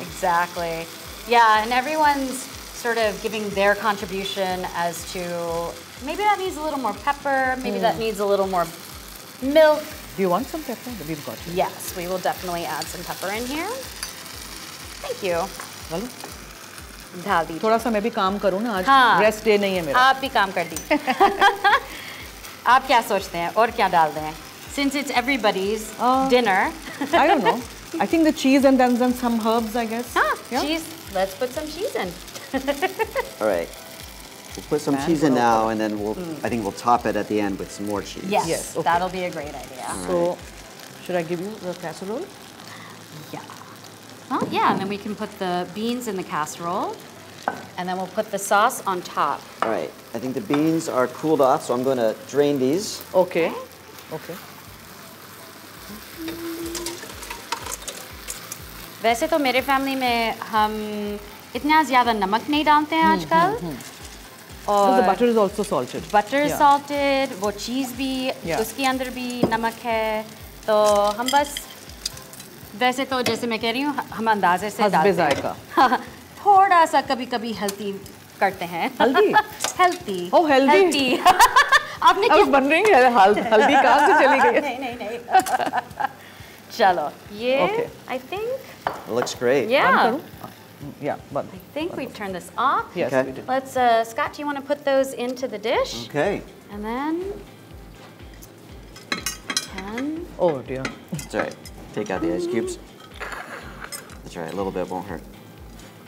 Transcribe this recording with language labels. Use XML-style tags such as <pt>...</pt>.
<en>Exactly. Yeah, and everyone's sort of giving their contribution as to, maybe that needs a little more pepper, maybe that needs a little more milk. Do you want some pepper? We've got you. Yes, we will definitely add some pepper in here. Thank you. Well,</en> <hi>डाल दी थोड़ा सा मैं भी काम करूँ ना आज rest day नहीं है मेरा आप भी काम कर दी आप क्या सोचते हैं और क्या डाल दें</hi> <en>Since it's everybody's dinner I don't know I think the cheese and then some herbs I guess हां cheese let's put some cheese in all right We'll put some cheese in now and then we'll I think we'll top it at the end with some more cheese. Yes. Okay. That'll be a great idea. Right. So should I give you the casserole? Yeah. Huh? Yeah, and then we can put the beans in the casserole, and then we'll put the sauce on top. All right, I think the beans are cooled off, so I'm going to drain these. Okay. Okay.</en> <hi>वैसे तो मेरे family में हम इतना ज्यादा नमक नहीं डालते हैं आजकल</hi> <en>और the butter is also salted</en> <hi>butter is salted वो चीज भी उसके अंदर भी नमक है तो हम बस वैसे तो जैसे मैं कह रही हूँ हम अंदाजे से डालते हैं थोड़ा सा कभी कभी हेल्दी करते हैं हेल्दी हेल्दी आपने अब बन रही है हल्दी कहाँ से चली गई नहीं नहीं नहीं चलो ये</hi> <en>I think looks great yeah but I think we turn this off yes okay. we did let's Scott do you want to put those into the dish okay and then pan oh dear that's right take out the ice cubes that's right a little bit won't hurt</en>